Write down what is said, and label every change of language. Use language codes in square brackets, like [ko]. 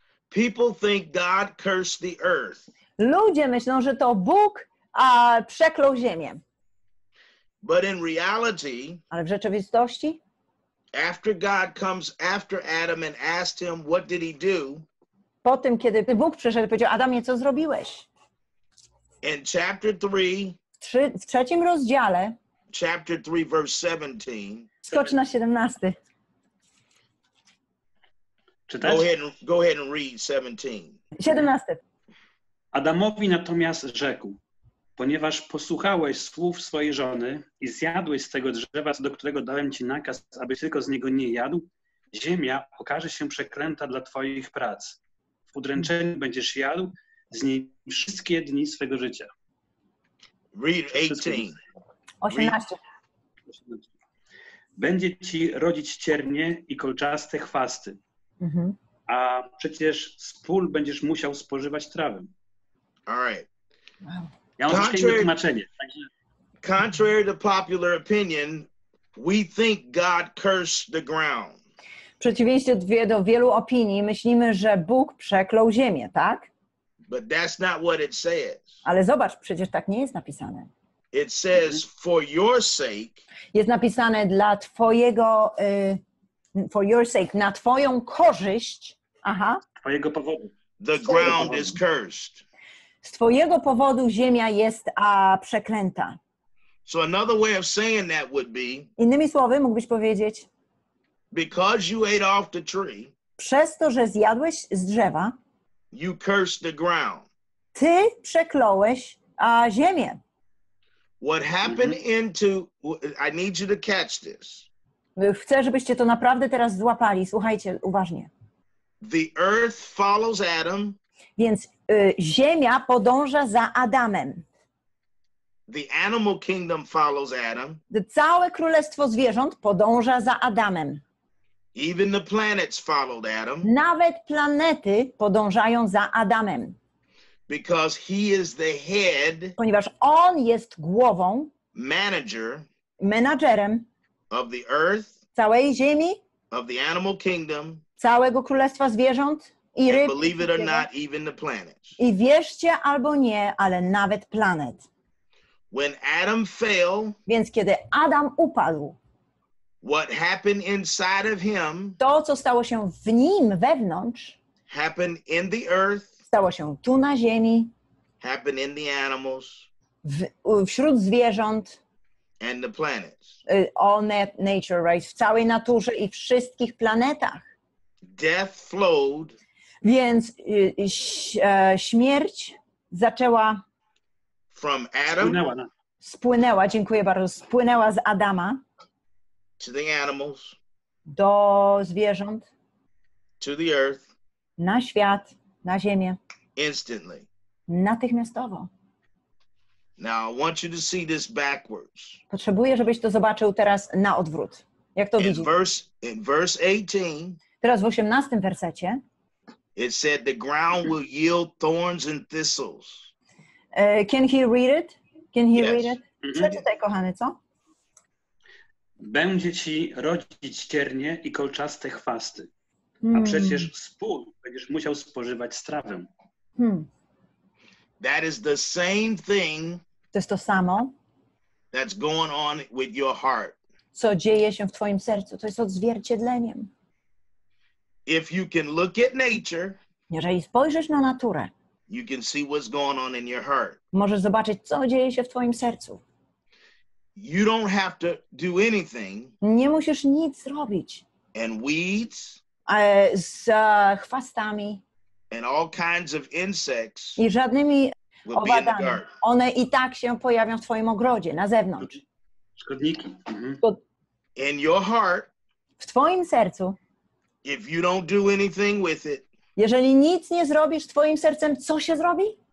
[en] people think God cursed the earth. [pl] Ludzie myślą, że to Bóg przeklął ziemię. [en] But in reality, [pl] ale w rzeczywistości, [en] after God comes after Adam and asked him, what did he do? [pl] Po tym, kiedy Bóg przyszedł i powiedział, Adamie, co zrobiłeś? [en] In chapter three, [pl] w trzecim rozdziale, [en] chapter three, verse 17, [pl] skocz na 17. Czytaj. [en] Go ahead and read 17. 17. [pl] Adamowi natomiast rzekł, ponieważ posłuchałeś słów swojej żony i zjadłeś z tego drzewa, do którego dałem ci nakaz, aby tylko z niego nie jadł, ziemia okaże się przeklęta dla twoich prac. W udręczeniu będziesz jadł z niej wszystkie dni swego życia. [en] Read 18. 18. [pl] Będzie ci rodzić ciernie i kolczaste chwasty, a przecież z pól będziesz musiał spożywać trawę. [en] All right. [pl] Ja mam troszkę inne tłumaczenie. [en] Contrary to popular opinion, we think God cursed the ground. [pl] W przeciwieństwie do wielu opinii, myślimy, że Bóg przeklął ziemię, tak? [en] But that's not what it says. [pl] Ale zobacz, przecież tak nie jest napisane. [en] It says, for your sake, [pl] jest napisane dla twojego, [en] for your sake, [pl] na twoją korzyść, aha. Twojego powodu. [en] The ground is cursed. [pl] Z twojego powodu ziemia jest przeklęta. [en] So another way of saying that would be, [pl] innymi słowy, mógłbyś powiedzieć, [en] because you ate off the tree, [pl] przez to, że zjadłeś z drzewa, [en] you cursed the ground. [pl] Ty przekląłeś ziemię. [en] What happened into? I need you to catch this. [pl] Chcę, żebyście to naprawdę teraz złapali. Słuchajcie uważnie. [en] The earth follows Adam. [pl] Więc ziemia podąża za Adamem. [en] The animal kingdom follows Adam. [pl] Całe królestwo zwierząt podąża za Adamem. [en] Even the planets followed Adam. [pl] Nawet planety podążają za Adamem. [en] Because he is the head. [pl] Ponieważ on jest głową. [en] Manager. [pl] Menadżerem. [en] Of the earth. [pl] Całej ziemi. [en] Of the animal kingdom. [pl] Całego królestwa zwierząt i ryb. [en] And believe it or not, even the planets. [pl] I wierzcie albo nie, ale nawet planet. [en] When Adam fell. [pl] Więc kiedy Adam upadł. [en] What happened inside of him? [pl] To, co stało się w nim wewnątrz. [en] Happened in the earth. [pl] Stało się tu na ziemi. [en] Happened in the animals. [pl] Wśród zwierząt. [en] And the planets. All nature, right? [pl] W całej naturze i wszystkich planetach. [en] Death flowed. [pl] Więc śmierć zaczęła. [en] From Adam. [pl] Spłynęła. Dziękuję bardzo. Spłynęła z Adama. [en] To the animals, [pl] do zwierząt, [en] to the earth, [pl] na świat, na ziemię, [en] instantly, [pl] natychmiastowo. [en] Now I want you to see this backwards. [pl] Potrzebuję, żebyś to zobaczył teraz na odwrót. Jak to widzisz? [en] In verse 18, [pl] teraz w 18 wersecie, [en] it said the ground will yield thorns and thistles. Can he read it? Can he yes. read it? [pl] Przeczytaj, kochany, co? Będzie ci rodzić ciernie i kolczaste chwasty. A przecież spór będziesz musiał spożywać strawę. [en] That is the same thing. [pl] To jest to samo. [en] That's going on with your heart. [pl] Co dzieje się w twoim sercu? To jest odzwierciedleniem. [en] If you can look at nature, [pl] jeżeli spojrzysz na naturę, [en] you can see what's going on in your heart. [pl] Możesz zobaczyć, co dzieje się w twoim sercu. [en] You don't have to do anything. [pl] Nie musisz nic zrobić. [en] And weeds. [pl] Z chwastami. [en] And all kinds of insects. [pl] I żadnymi owadami. One i tak się pojawią w twoim ogrodzie, na zewnątrz. Szkodniki. [en] In your heart. [pl] W twoim sercu. [en] If you don't do anything with it. [pl] Jeżeli nic nie zrobisz twoim sercem, co się zrobi?